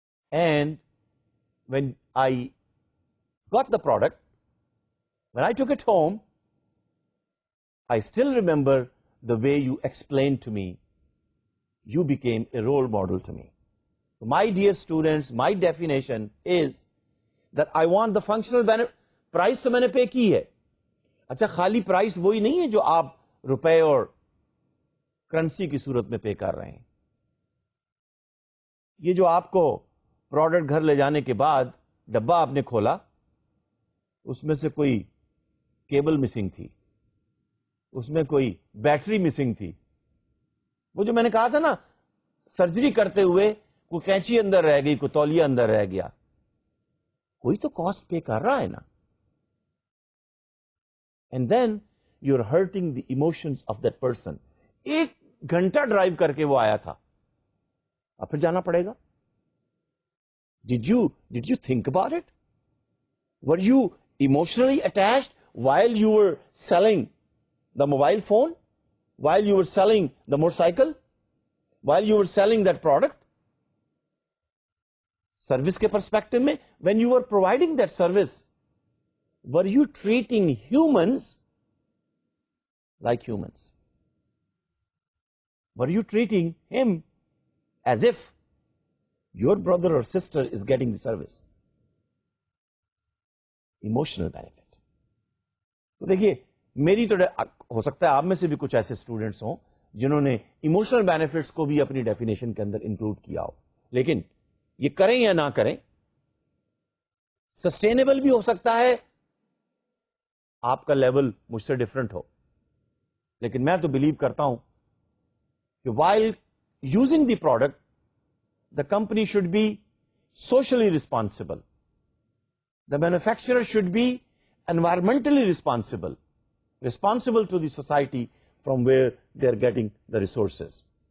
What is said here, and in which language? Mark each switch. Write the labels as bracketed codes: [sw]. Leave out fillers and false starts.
[en] And when I got the product, when I took it home, I still remember the way you explained to me. You became a role model to me. My dear students, my definition is that I want the functional benefit. [ur] Price to maine pay ki hai. Achha, khali price wohi nahi hai jo aap روپے اور currency کی صورت میں پے کر رہے ہیں. یہ جو آپ کو پروڈکٹ گھر لے جانے کے بعد ڈبہ آپ نے کھولا، اس میں سے کوئی کیبل مسنگ تھی، اس میں کوئی بیٹری مسنگ تھی. وہ جو میں نے کہا تھا نا، سرجری کرتے ہوئے کوئی کینچی اندر رہ گئی، کوئی تولیہ اندر رہ گیا، کوئی تو کاسٹ پے کر رہا ہے نا. [en] And then you're hurting the emotions of that person. [ur] ایک گھنٹہ ڈرائیو کر کے وہ آیا تھا، اب پھر جانا پڑے گا. [en] Did you think about it? Were you emotionally attached while you were selling the mobile phone, while you were selling the motorcycle, while you were selling that product? Service [ur] کے پرسپیکٹو میں، [en] when you were providing that service, were you treating humans like humans? Were you treating him as if your brother or sister is getting the service? Emotional benefit. [ur] تو دیکھیے، میری تو ہو سکتا ہے آپ میں سے بھی کچھ ایسے اسٹوڈینٹس ہوں جنہوں نے ایموشنل بینیفٹس کو بھی اپنی ڈیفینیشن کے اندر انکلوڈ کیا ہو، لیکن یہ کریں یا نہ کریں، سسٹینیبل بھی ہو سکتا ہے آپ کا لیول مجھ سے ڈفرنٹ ہو، لیکن میں تو بلیو کرتا ہوں کہ [en] While using the product the company should be socially responsible, the manufacturer should be environmentally responsible, responsible to the society from where they are getting the resources.